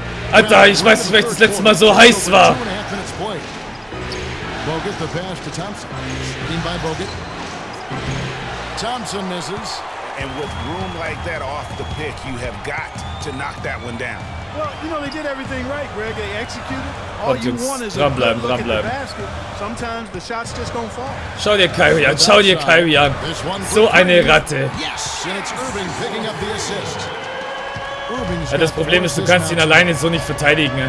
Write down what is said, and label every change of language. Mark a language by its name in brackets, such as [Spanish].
[German] Alter, ich weiß nicht, welches das letzte Mal so heiß war. [English] Bogut, the pass to Thompson. Seen by Bogut. Thompson misses. And with room like that off the pick, you have got to knock that one down. Well, you know, they did everything right, Greg. They executed. All you want is a good look at the basket. Sometimes the shots just don't fall. [German] Schau dir Kyrie an, schau dir Kyrie an. So eine Ratte. [English] Yes, and it's Irvin picking up the assist. [German] Ja, das Problem ist, du kannst ihn alleine so nicht verteidigen.